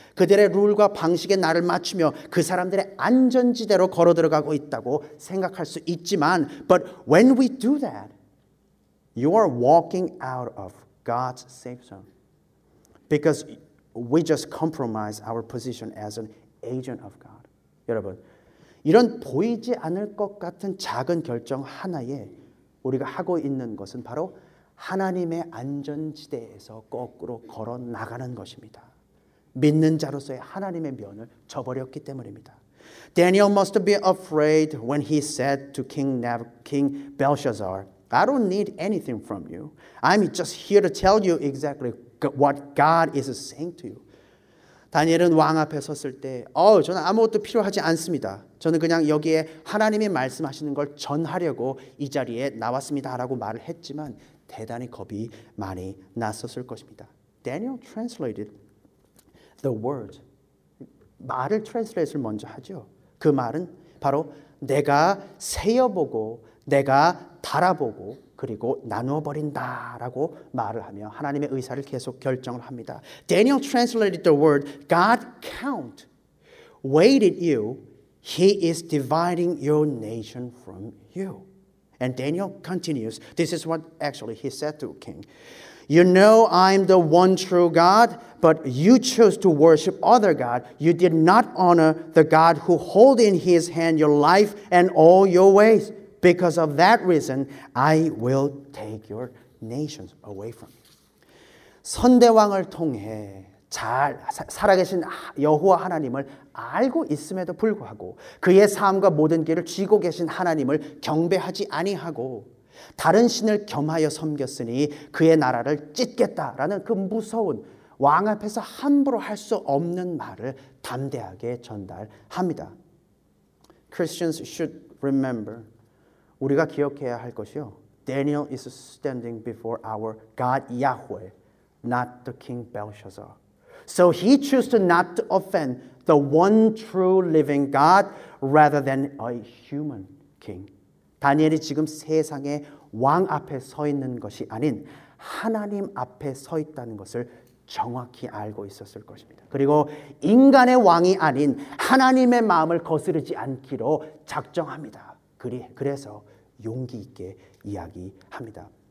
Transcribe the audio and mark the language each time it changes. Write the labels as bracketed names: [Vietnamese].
[Korean] 그들의 룰과 방식에 나를 맞추며 그 사람들의 안전지대로 걸어 들어가고 있다고 생각할 수 있지만 [English] but when we do that, you are walking out of God's safe zone. Because we just compromise our position as an agent of God. [Korean] 여러분, 이런 보이지 않을 것 같은 작은 결정 하나에 우리가 하고 있는 것은 바로 하나님의 안전지대에서 거꾸로 걸어 나가는 것입니다. 믿는 자로서의 하나님의 면을 저버렸기 때문입니다. [English] Daniel must be afraid when he said to King Belshazzar, I don't need anything from you. I'm just here to tell you exactly what God is saying to you. [Korean] 다니엘은 왕 앞에 섰을 때 저는 아무것도 필요하지 않습니다. 저는 그냥 여기에 하나님이 말씀하시는 걸 전하려고 이 자리에 나왔습니다 라고 말을 했지만 대단히 겁이 많이 났었을 것입니다. [English] Daniel translated the word. [Korean] 말을 translate를 먼저 하죠. 그 말은 바로 내가 세어보고 내가 달아보고 그리고 나누어 버린다라고 말을 하며 하나님의 의사를 계속 결정을 합니다. [English] Daniel translated the word God count weighted you he is dividing your nation from you. And Daniel continues. This is what actually he said to the king. You know I'm the one true God, but you chose to worship other God. You did not honor the God who hold in his hand your life and all your ways. Because of that reason, I will take your nations away from you. [Korean] 선대왕을 통해 잘 살아계신 여호와 하나님을 알고 있음에도 불구하고 그의 삶과 모든 길을 쥐고 계신 하나님을 경배하지 아니하고 다른 신을 겸하여 섬겼으니 그의 나라를 찢겠다라는 그 무서운 왕 앞에서 함부로 할 수 없는 말을 담대하게 전달합니다. [English] Christians should remember [Korean] 우리가 기억해야 할 것이요. [English] Daniel is standing before our God Yahweh, not the King Belshazzar. So he chose to not to offend the one true living God rather than a human king. [Korean] 다니엘이 지금 세상의 왕 앞에 서 있는 것이 아닌 하나님 앞에 서 있다는 것을 정확히 알고 있었을 것입니다. 그리고 인간의 왕이 아닌 하나님의 마음을 거스르지 않기로 작정합니다. 그래서 용기 있게 이야기합니다.